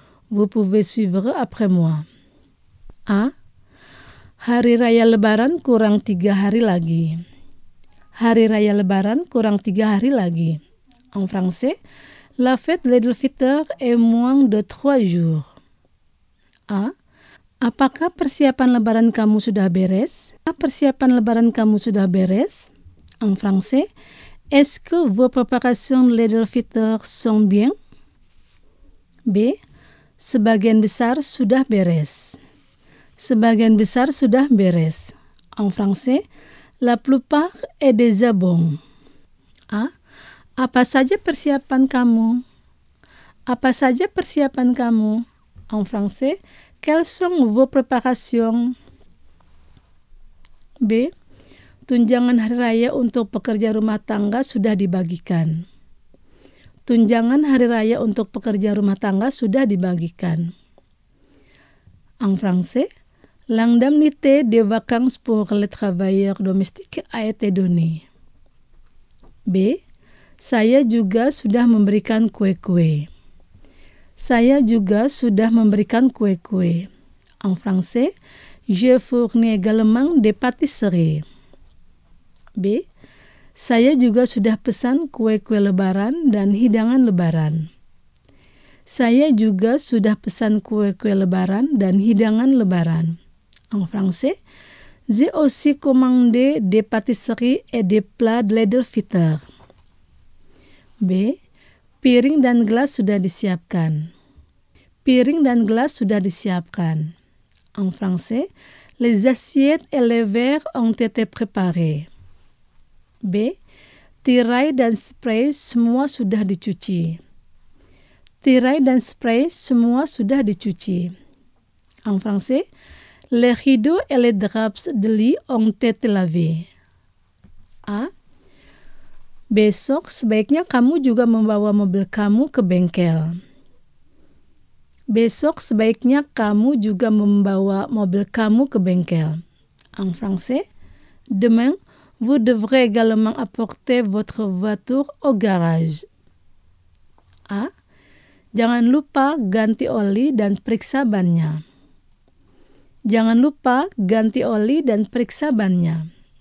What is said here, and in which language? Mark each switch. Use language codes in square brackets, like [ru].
[fr] Vous pouvez suivre après moi. A. [id] Hari Raya Lebaran kurang tiga hari lagi. Hari Raya Lebaran kurang tiga hari lagi. [fr] En français, la fête de l'Idul Fitr est moins de trois jours. A. [id] Apakah persiapan Lebaran kamu sudah beres? Persiapan Lebaran kamu sudah beres? [fr] En français, est-ce que vos préparations de l'Idul Fitr sont bien? B. [id] Sebagian besar sudah beres. Sebagian besar sudah beres. [fr] En français, la plupart est déjà bon. A. [id] Apa saja persiapan kamu? Apa saja persiapan kamu? [fr] En français, quelles sont vos préparations? B. [id] Tunjangan hari raya untuk pekerja rumah tangga sudah dibagikan. Tunjangan hari raya untuk pekerja rumah tangga sudah dibagikan. [fr] En français, l'indemnité des vacances pour les travailleurs domestiques a été donnée. B. [id] Saya juga sudah memberikan kue-kue. Saya juga sudah memberikan kue-kue. [fr] En français, je fournis également des pâtisseries. [id] B. Saya juga sudah pesan kue-kue lebaran dan hidangan lebaran. Saya juga sudah pesan kue-kue lebaran dan hidangan lebaran. [fr] En français, j'ai aussi commandé des pâtisseries et des plats de l'Idul Fitr. B. [id] Piring dan gelas sudah disiapkan. Piring dan gelas sudah disiapkan. [fr] En français, les assiettes et les verres ont été préparés. B. [id] Tirai dan spray semua sudah dicuci. Tirai dan spray semua sudah dicuci. [fr] En français, les rideaux et les draps de lit ont été lavés. A. [id] Besok sebaiknya kamu juga membawa mobil kamu ke bengkel. Besok sebaiknya kamu juga membawa mobil kamu ke bengkel. [fr] En français, demain, vous devrez également apporter votre voiture au garage. A. [id] Jangan lupa ganti oli dan periksa bannya. Jangan lupa ganti oli dan periksa bannya.